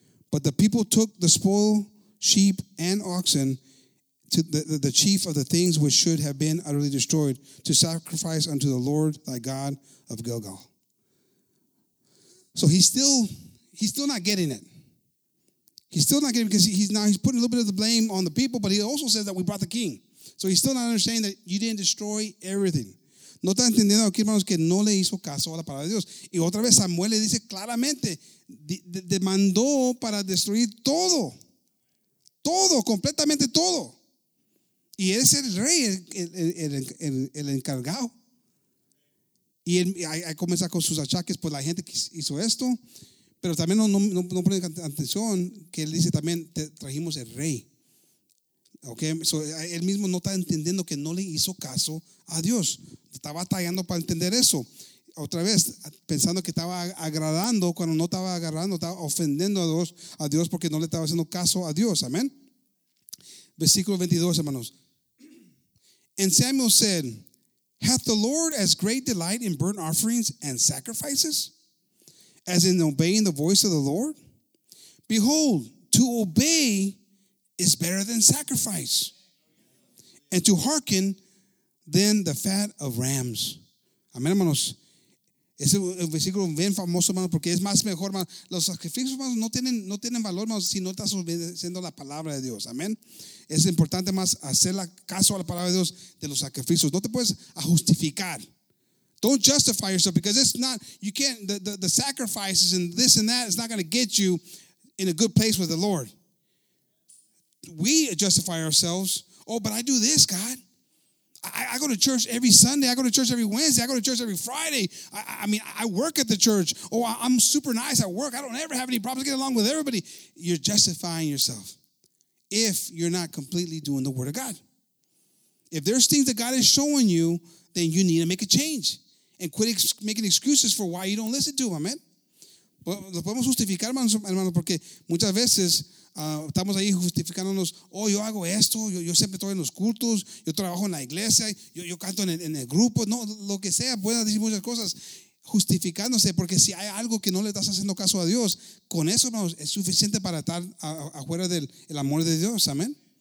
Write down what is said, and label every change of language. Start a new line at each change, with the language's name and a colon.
English: But the people took the spoil, sheep and oxen, to the chief of the things which should have been utterly destroyed, to sacrifice unto the Lord thy God of Gilgal. So he's still not getting it. He's still not getting it, because he's putting a little bit of the blame on the people, but he also says that we brought the king. So he's still not understanding that you didn't destroy everything.
Spanish: No está entendiendo aquí, hermanos, que no le hizo caso a la palabra de Dios. Y otra vez Samuel le dice claramente, demandó para destruir todo. Todo, completamente todo. Y él es el rey, el encargado. Y él ahí comienza con sus achaques, pues la gente hizo esto. Pero también no pone atención que él dice también, te trajimos el rey. Okay, so él mismo no está entendiendo que no le hizo caso a Dios. Está batallando para entender eso. Otra vez, pensando que estaba agradando cuando no estaba agradando, estaba ofendiendo a Dios porque no le estaba haciendo caso a Dios. Amén. Versículo 22, hermanos.
English: And Samuel said, hath the Lord as great delight in burnt offerings and sacrifices as in obeying the voice of the Lord? Behold, to obey is better than sacrifice, and to hearken than the fat of rams.
Spanish: Amén, hermanos. Es un versículo bien famoso, hermano, porque es más mejor, hermano. Los sacrificios, hermano, no tienen valor, hermano, si no estás obedeciendo la palabra de Dios. Amén. Es importante más hacer caso a la palabra de Dios de los sacrificios. No te puedes justificar.
English: Don't justify yourself, because it's not, you can't, the sacrifices and this and that is not going to get you in a good place with the Lord. We justify ourselves. Oh, but I do this, God. I go to church every Sunday. I go to church every Wednesday. I go to church every Friday. I work at the church. Oh, I'm super nice at work. I don't ever have any problems. I get along with everybody. You're justifying yourself if you're not completely doing the Word of God. If there's things that God is showing you, then you need to make a change and quit making excuses for why you don't listen to Him. Amen.
Spanish: Lo podemos justificar, hermanos, porque muchas veces estamos ahí justificándonos. Oh, yo hago esto, yo siempre estoy en los cultos, yo trabajo en la iglesia, yo canto en el grupo, no, lo que sea, puedes decir muchas cosas justificándose, porque si hay algo que no le estás haciendo caso a Dios, con eso, hermanos, es suficiente para estar afuera del el amor de Dios, amén.